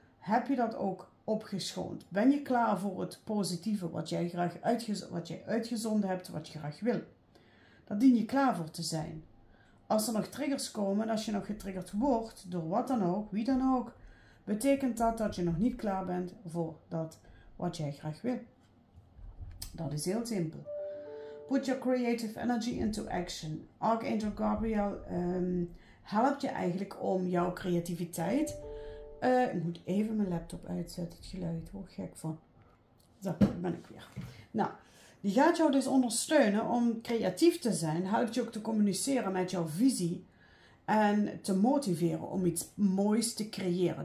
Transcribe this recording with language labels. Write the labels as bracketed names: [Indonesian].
[Dutch] Heb je dat ook opgeschoond? Ben je klaar voor het positieve wat jij graag uitgezonden hebt, wat je graag wil? Dat dien je klaar voor te zijn. Als er nog triggers komen, als je nog getriggerd wordt, door wat dan ook, wie dan ook, betekent dat dat je nog niet klaar bent voor dat wat jij graag wil. Dat is heel simpel. [English] Put your creative energy into action. [Dutch] Archangel Gabriel helpt je eigenlijk om jouw creativiteit. Ik moet even mijn laptop uitzetten, het geluid hoor gek van. Zo, ben ik weer. Nou, die gaat jou dus ondersteunen om creatief te zijn. Helpt je ook te communiceren met jouw visie. En te motiveren om iets moois te creëren.